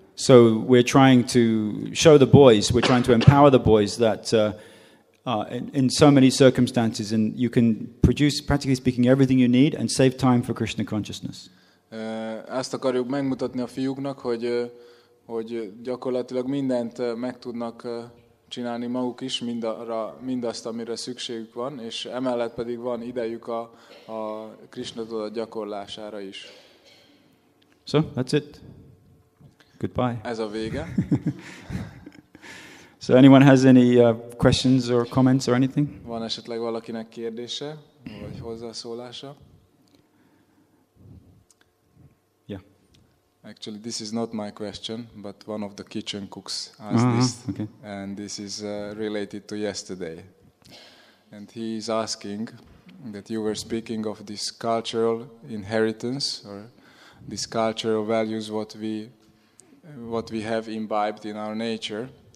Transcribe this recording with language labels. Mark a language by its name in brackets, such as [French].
[English] So we're trying to show the boys, we're trying to empower the boys that in so many circumstances, and you can produce, practically speaking, everything you need and save time for Krishna consciousness. [Hungarian] Azt akarjuk megmutatni a fiúknak, hogy gyakorlatilag mindent meg tudnak csinálni maguk is, mindazt, amire szükségük van, és emellett pedig van idejük a Krishna tudat gyakorlására is. [English] So, that's it. Goodbye. [Hungarian] Ez a vége. [English] So anyone has any questions or comments or anything? [Hungarian] Van esetleg valakinek kérdése vagy hozzászólása? [English] Yeah. Actually, this is not my question, but one of the kitchen cooks asked this, okay. And this is related to yesterday. And he is asking that you were speaking of this cultural inheritance or this cultural values what we have imbibed in our nature.